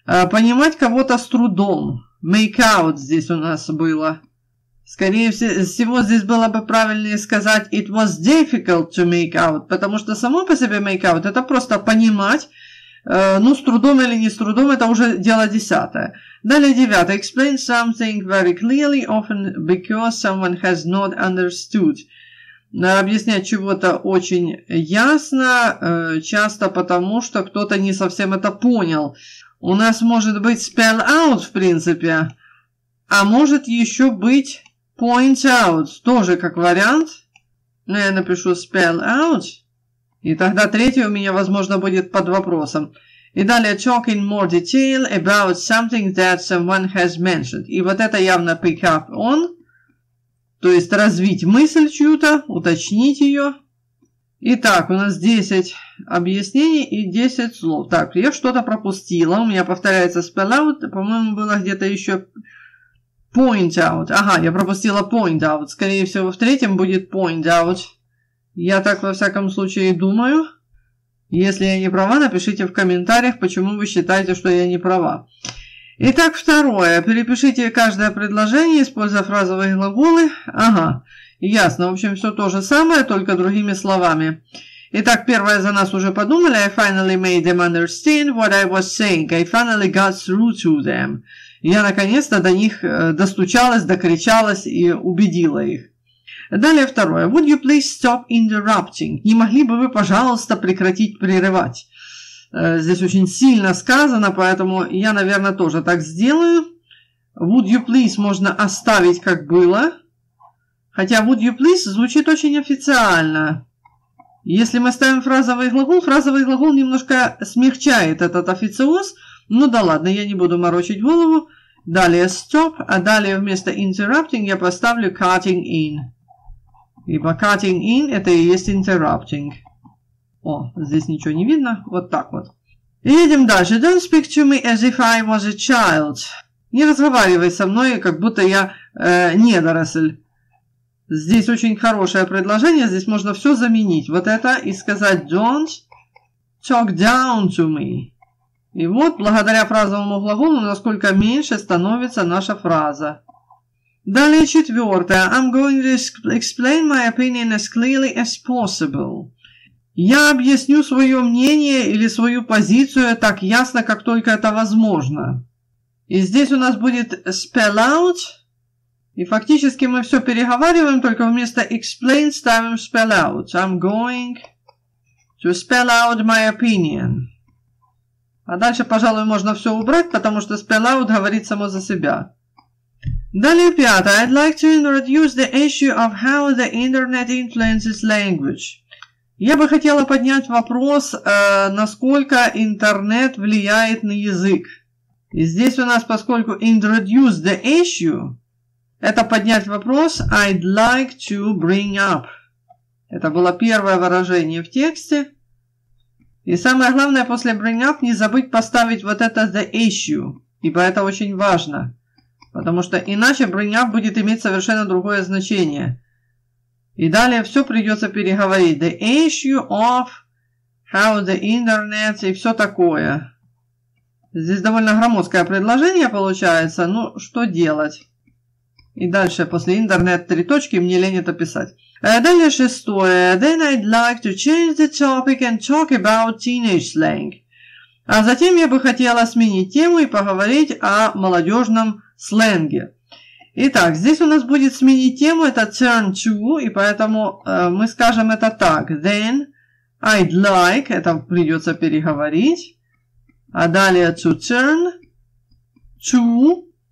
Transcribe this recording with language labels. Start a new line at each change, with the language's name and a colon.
Russian: Понимать кого-то с трудом. Make out здесь у нас было. Скорее всего, здесь было бы правильнее сказать
English: it was difficult to make out.
Russian: Потому что само по себе make out это просто понимать. Ну, с трудом или не с трудом, это уже дело десятое. Далее, девятое.
English: Explain something very clearly, often because someone has not understood.
Russian: Объяснять чего-то очень ясно, часто потому, что кто-то не совсем это понял. У нас может быть spell out, в принципе, а может еще быть point out, тоже как вариант. Но я напишу spell out, и тогда третий у меня, возможно, будет под вопросом. И далее
English: talk in more detail about something that someone has mentioned.
Russian: И вот это явно pick up on. То есть развить мысль чью-то, уточнить ее. Итак, у нас 10 объяснений и 10 слов. Так, я что-то пропустила. У меня повторяется spell out. По-моему, было где-то еще point out. Ага, я пропустила point out. Скорее всего, в третьем будет point out. Я так во всяком случае думаю. Если я не права, напишите в комментариях, почему вы считаете, что я не права. Итак, второе. Перепишите каждое предложение, используя фразовые глаголы. Ага, ясно. В общем, все то же самое, только другими словами. Итак, первое за нас уже подумали.
English: I finally made them understand what I was saying. I finally got through to them.
Russian: Я наконец-то до них достучалась, докричалась и убедила их. Далее второе.
English: Would you please stop interrupting?
Russian: Не могли бы вы, пожалуйста, прекратить прерывать? Здесь очень сильно сказано, поэтому я, наверное, тоже так сделаю.
English: Would you please
Russian: можно оставить, как было. Хотя
English: would you please
Russian: звучит очень официально. Если мы ставим фразовый глагол немножко смягчает этот официоз. Ну да ладно, я не буду морочить голову. Далее stop, а далее вместо interrupting я поставлю cutting in. Ибо cutting in это и есть interrupting. О, здесь ничего не видно. Вот так вот. Едем дальше.
English: Don't speak to me as if I was a child.
Russian: Не разговаривай со мной, как будто я недоросль. Здесь очень хорошее предложение. Здесь можно все заменить. Вот это и сказать
English: don't talk down to me.
Russian: И вот, благодаря фразовому глаголу, насколько меньше становится наша фраза. Далее четвертое.
English: I'm going to explain my opinion as clearly as possible.
Russian: Я объясню свое мнение или свою позицию так ясно, как только это возможно. И здесь у нас будет spell out. И фактически мы все переговариваем, только вместо explain ставим spell out.
English: I'm going to spell out my opinion.
Russian: А дальше, пожалуй, можно все убрать, потому что spell out говорит само за себя. Далее пятое.
English: I'd like to introduce the issue of how the internet influences language.
Russian: Я бы хотела поднять вопрос, насколько интернет влияет на язык. И здесь у нас, поскольку introduce the issue, это поднять вопрос
English: I'd like to bring up.
Russian: Это было первое выражение в тексте. И самое главное, после bring up не забыть поставить вот это the issue, ибо это очень важно. Потому что иначе bring up будет иметь совершенно другое значение. И далее все придется переговорить.
English: The issue of how the internet
Russian: и все такое. Здесь довольно громоздкое предложение получается. Ну, что делать? И дальше, после интернет три точки, мне лень это писать. Далее шестое.
English: Then I'd like to change the topic and talk about teenage slang.
Russian: А затем я бы хотела сменить тему и поговорить о молодежном сленге. Итак, здесь у нас будет сменить тему, это turn to, и поэтому мы скажем это так.
English: Then I'd like,
Russian: это придется переговорить, а далее
English: to turn,
Russian: чу.